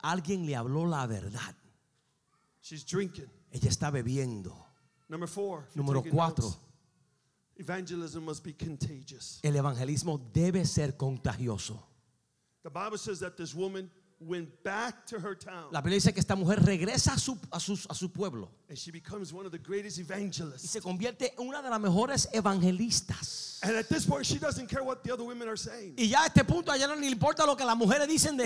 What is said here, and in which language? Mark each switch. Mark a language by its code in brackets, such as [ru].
[es] Alguien le habló la verdad. [en] She's drinking. [es] Ella está bebiendo. [en] Number four. [es] Número cuatro. [en] Evangelism must be contagious. [es] El evangelismo debe ser contagioso. [en] The Bible says that this woman went back to her town. [es] La Biblia dice que esta mujer regresa a su pueblo. [en] And she becomes one of the greatest evangelists. [es] Y se convierte en una de las mejores evangelistas. [en] And at this point, she doesn't care what the other women are saying. [es] Y ya a este punto, ya no le importa lo que las mujeres dicen de